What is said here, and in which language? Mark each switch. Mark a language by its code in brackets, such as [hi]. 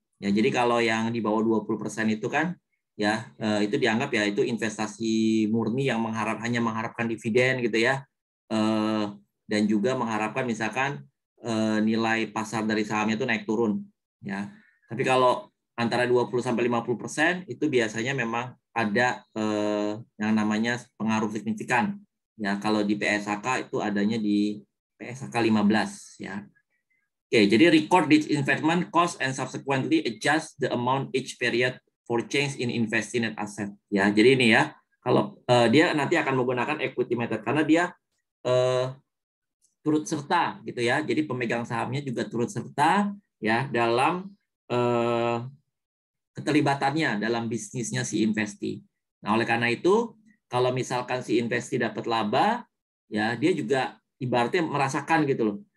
[id] Ya, jadi kalau yang di bawah 20% itu kan, ya itu dianggap ya itu investasi murni yang hanya mengharapkan dividen gitu ya, dan juga mengharapkan misalkan nilai pasar dari sahamnya itu naik turun. Ya, tapi kalau antara 20 sampai 50% itu biasanya memang ada yang namanya pengaruh signifikan. Ya, kalau di PSAK itu adanya di PSAK 15 ya. Oke, jadi [en] record this investment cost and subsequently adjust the amount each period for change in investing net asset ya. [id] Jadi ini ya, kalau dia nanti akan menggunakan equity method karena dia turut serta gitu ya. Jadi pemegang sahamnya juga turut serta ya dalam keterlibatannya dalam bisnisnya si investi. Nah, oleh karena itu, kalau misalkan si investi dapat laba, ya dia juga ibaratnya merasakan gitu loh.